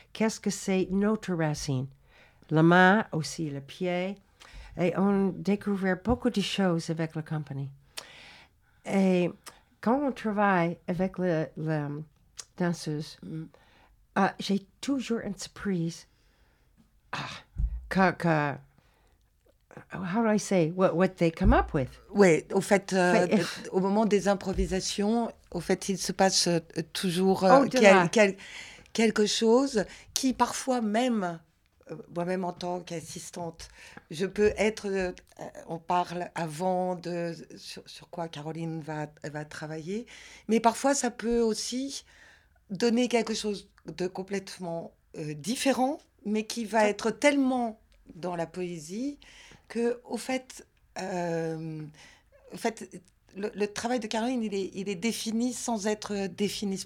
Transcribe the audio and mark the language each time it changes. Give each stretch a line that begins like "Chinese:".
French: Qu'est-ce que c'est notre racine? La main, aussi le pied. Et on découvre beaucoup de choses avec la compagnie. Et quand on travaille avec la danseuse, j'ai toujours une surprise.
English: Ah, how do I say what they come up with?
French: Oui, au fait, au moment des improvisations, au fait, il se passe toujours quelque chose qui, parfois même, moi-même en tant qu'assistante, je peux être. On parle avant de sur quoi Caroline va travailler, mais parfois ça peut aussi donner quelque chose de complètement différent, mais qui va être tellement dans la poésie que, au fait, le travail de Caroline, il est défini sans être défini.